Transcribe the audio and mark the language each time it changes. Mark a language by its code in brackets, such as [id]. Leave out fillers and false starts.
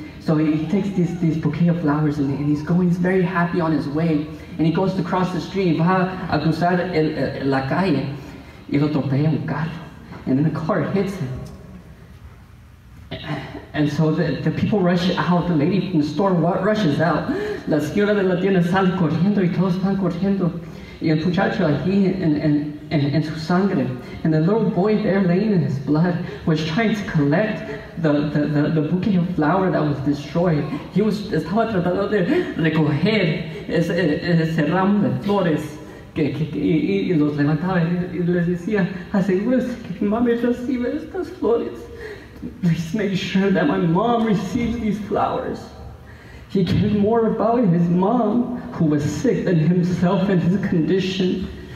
[en] So he takes this bouquet of flowers and he's going, he's very happy on his way. And he goes to cross the street. [es] Va a cruzar la calle. Y lo atropella un carro. [en] And then the car hits him. And so the people rush out, the lady from the store rushes out. [es] La señora de la tienda sale corriendo y todos están corriendo. Y el muchacho aquí en su sangre. [en] And the little boy there laying in his blood was trying to collect the bouquet of flower that was destroyed. He was [es] estaba tratando de recoger ese ramo de flores. Y los levantaba y les decía, asegúrese que mi mami recibe estas flores. [en] Please make sure that my mom receives these flowers. He cared more about his mom, who was sick, than himself and his condition.